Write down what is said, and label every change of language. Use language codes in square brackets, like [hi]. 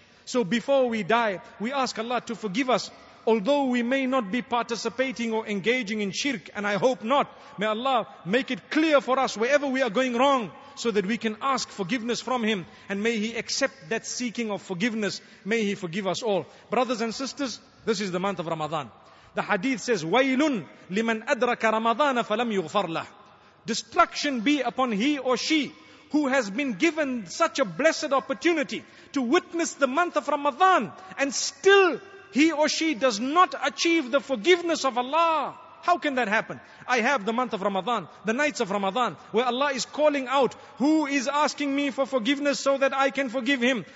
[en] So before we die, we ask Allah to forgive us. Although we may not be participating or engaging in shirk, and I hope not, may Allah make it clear for us wherever we are going wrong, so that we can ask forgiveness from Him, and may He accept that seeking of forgiveness. May He forgive us all. Brothers and sisters, this is the month of Ramadan. The hadith says, [ar] وَيْلٌ لِمَنْ أَدْرَكَ رَمَضَانَ فَلَمْ يُغْفَرْ لَهُ. [en] Destruction be upon he or she who has been given such a blessed opportunity to witness the month of Ramadan, and still he or she does not achieve the forgiveness of Allah. How can that happen? I have the month of Ramadan, the nights of Ramadan, where Allah is calling out, who is asking me for forgiveness so that I can forgive him?